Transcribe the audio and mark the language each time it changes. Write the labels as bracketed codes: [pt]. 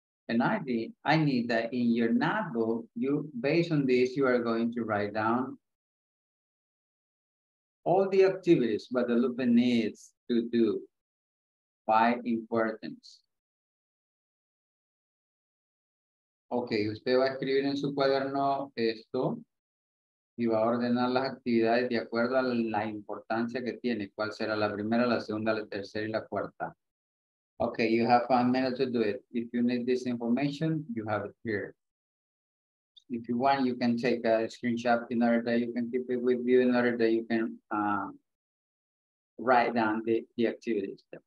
[en] And I need that in your notebook, you, based on this, you are going to write down all the activities Guadalupe needs to do by importance. [es] Okay, usted va a escribir en su cuaderno esto y va a ordenar las actividades de acuerdo a la importancia que tiene. ¿Cuál será la primera, la segunda, la tercera y la cuarta? [en] Okay, you have 5 minutes to do it. If you need this information, you have it here. If you want, you can take a screenshot in order that you can keep it with you, in order that you can write down the activities.